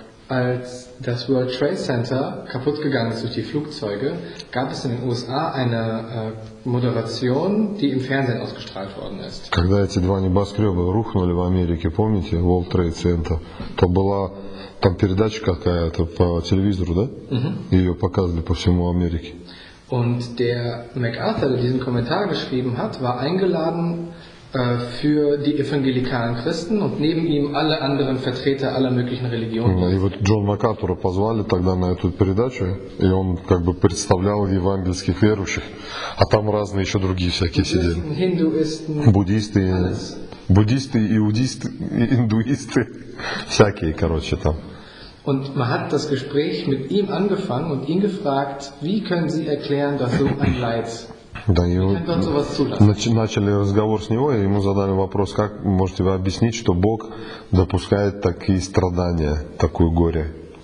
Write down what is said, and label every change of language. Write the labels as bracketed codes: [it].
[de] Als das World Trade Center kaputt gegangen ist durch die Flugzeuge, gab es in den USA eine Moderation, die im Fernsehen ausgestrahlt worden ist. [ru] Когда эти два небоскреба рухнули в Америке, помните, World Trade Center, то была там передача какая-то по телевизору, да? Ее показывали по всему Америке. [de] Und der MacArthur, der diesen Kommentar geschrieben hat, war eingeladen für die evangelikalen Christen und neben ihm alle anderen Vertreter aller möglichen Religionen. [ru] И вот Джон Макартура позвали тогда на эту передачу, и он как бы представлял евангельских верующих, а там разные еще другие всякие сидели. [de] Hinduisten, [ru] буддисты, буддисты, иудисты, индуисты, всякие, короче, там. [de] Und man hat das Gespräch mit ihm angefangen und ihn gefragt, wie können Sie erklären, dass so ein Leid [ru] Да, его, начали разговор с него, и ему задали вопрос, как можете вы объяснить, что Бог допускает такие страдания, такое горе?